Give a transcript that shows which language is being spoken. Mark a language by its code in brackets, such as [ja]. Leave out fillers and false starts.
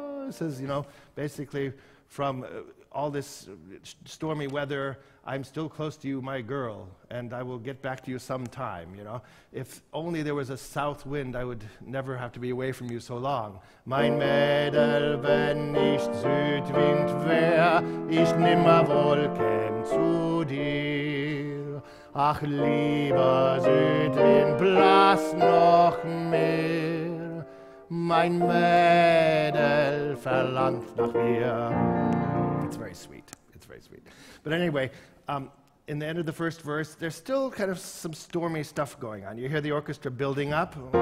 [en] Says, you know, basically from all this stormy weather, I'm still close to you, my girl, and I will get back to you sometime, you know. If only there was a south wind, I would never have to be away from you so long. [de] Mein Mädel, wenn nicht Südwind wär, ich nimmer wohl käm zu dir. Ach, lieber Südwind, blass noch mehr, mein Mädel verlangt nach mir. [en] It's very sweet. It's very sweet. But anyway, in the end of the first verse, there's still kind of some stormy stuff going on. You hear the orchestra building up.